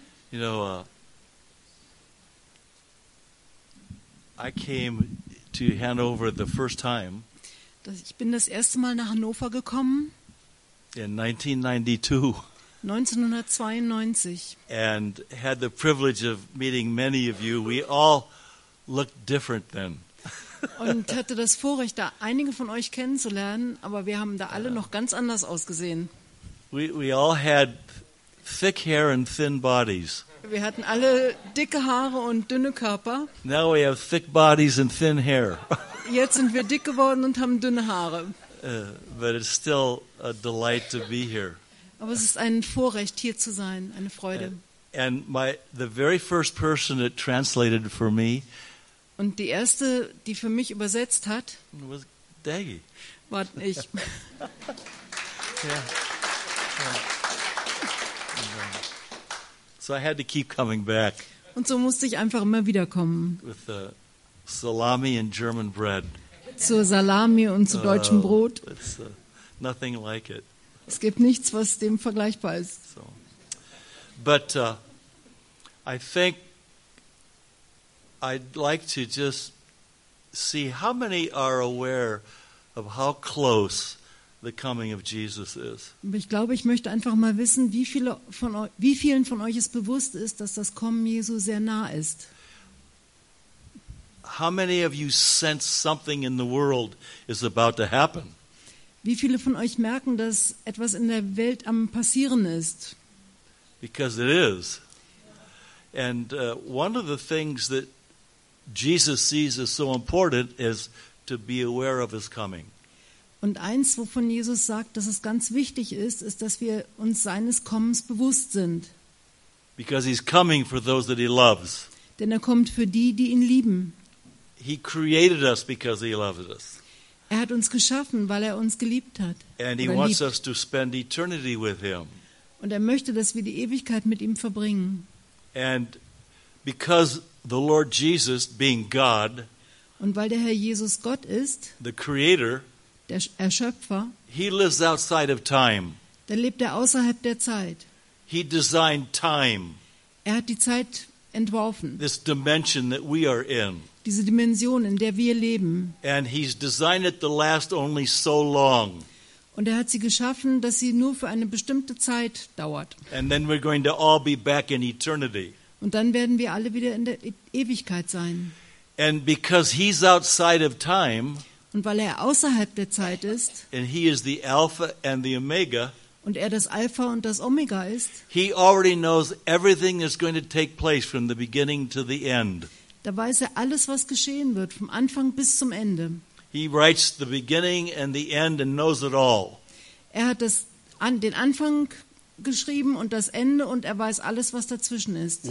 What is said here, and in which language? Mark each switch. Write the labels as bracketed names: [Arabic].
[English] You know, I came to Hanover the first time. [German] Ich bin das erste Mal nach Hannover gekommen. [English] In 1992. And had the privilege of meeting many of you. We all looked different then. [German] Und hatte das Vorrecht, da einige von euch kennenzulernen, aber wir haben da alle noch ganz anders ausgesehen. [English] We all had thick hair and thin bodies. [German] Wir hatten alle dicke Haare und dünne Körper. [English] Now we have thick bodies and thin hair. [German] Jetzt sind wir dick geworden und haben dünne Haare. [English] But it's still a delight to be here. [German] Aber es ist ein Vorrecht, hier zu sein, eine Freude. [English] And the very first person that translated for me. [German] Und die erste, die für mich übersetzt hat, [English] was Daggy. [German] War ich. [English] So I had to keep coming back. [German] Und so musste ich einfach immer wieder kommen. [English] With the salami and German bread. [German] Zur Salami und zu deutschem Brot. [English] It's nothing like it. [German] Es gibt nichts, was dem vergleichbar ist. So. [English] But I think I'd like to just see how many are aware of how close the coming of Jesus is. [German] Ich glaube, ich möchte einfach mal wissen, wie vielen von euch es bewusst ist, dass das Kommen Jesu sehr nah ist. [English] How many of you sense something in the world is about to happen? [German] Wie viele von euch merken, dass etwas in der Welt am passieren ist? [English] Because it is. And one of the things that Jesus sees as so important is to be aware of his coming. [German] Und eins, wovon Jesus sagt, dass es ganz wichtig ist, ist, dass wir uns seines Kommens bewusst sind. [English] Because he's coming for those that he loves. [German] Denn er kommt für die, die ihn lieben. [English] He created us because he loves us. [German] Er hat uns geschaffen, weil er uns geliebt hat. [English] And he wants us to spend eternity with him. [German] Und er möchte, dass wir die Ewigkeit mit ihm verbringen. [English] And because the Lord Jesus being God, [German] und weil der Herr Jesus Gott ist, [English] the creator, [German] der Erschöpfer, [English] he lives outside of time. [German] Da lebt er außerhalb der Zeit. [English] He designed time. [German] Er hat die Zeit entworfen. [English] This dimension that we are in. [German] Diese Dimension, in der wir leben. [English] And he's designed it to last only so long. [German] Und er hat sie geschaffen, dass sie nur für eine bestimmte Zeit dauert. [English] And then we're going to all be back in eternity. [German] Und dann werden wir alle wieder in der Ewigkeit sein. [English] And because he's outside of time, [German] und weil er außerhalb der Zeit ist, [English] and he is the Alpha and the Omega, [German] und er das Alpha und das Omega ist, [English] he already knows everything that's going to take place from the beginning to the end. [German] Da weiß er alles, was geschehen wird, vom Anfang bis zum Ende. [English] He writes the beginning and the end and knows it all. [German] Er hat den Anfang geschrieben und das Ende und er weiß alles, was dazwischen ist.